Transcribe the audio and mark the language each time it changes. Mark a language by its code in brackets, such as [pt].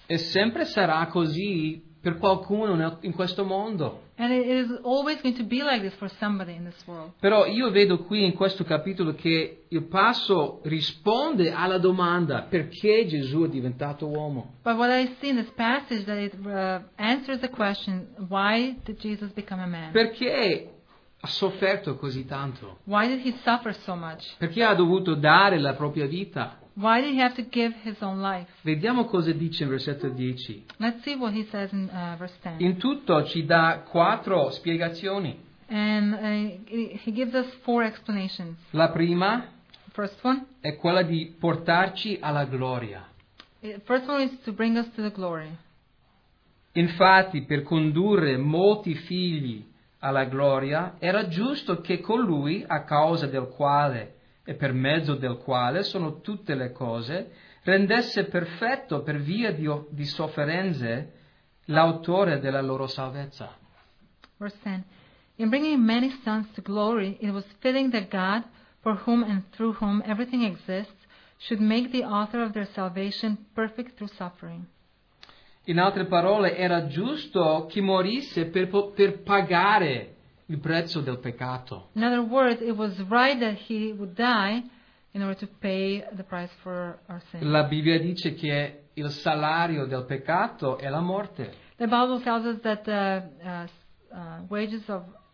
[it] E sempre sarà così per qualcuno in questo mondo. [en] And it is always going to be like this for somebody in this world. [it] Però io vedo qui in questo capitolo che il passo risponde alla domanda perché Gesù è diventato uomo. [en] But what I see in this passage that it answers the question, why did Jesus become a man? [it] Perché ha sofferto così tanto? [en] Why did he suffer so much? [it] Perché ha dovuto dare la propria vita? [en] Why did he have to give his own life? [it] Vediamo cosa dice in versetto 10. [en] Let's see what he says in verse 10. [it] In tutto ci dà quattro spiegazioni. [en] And he gives us four explanations. [it] La prima [en] First one. [it] è quella di portarci alla gloria. [en] First one is to bring us to the glory. [it] Infatti, per condurre molti figli alla gloria, era giusto che colui a causa del quale e per mezzo del quale sono tutte le cose, rendesse perfetto per via di sofferenze l'autore della loro salvezza. [en] Verse 10. In bringing many sons to glory, it was fitting that God, for whom and through whom everything exists, should make the author of their salvation perfect through suffering. [it] In altre parole, era giusto che morisse per pagare il prezzo del peccato. [en] In other words, it was right that he would die in order to pay the price for our sins. [it] La Bibbia dice che il salario del peccato è la morte. [en] The Bible tells us that the wages of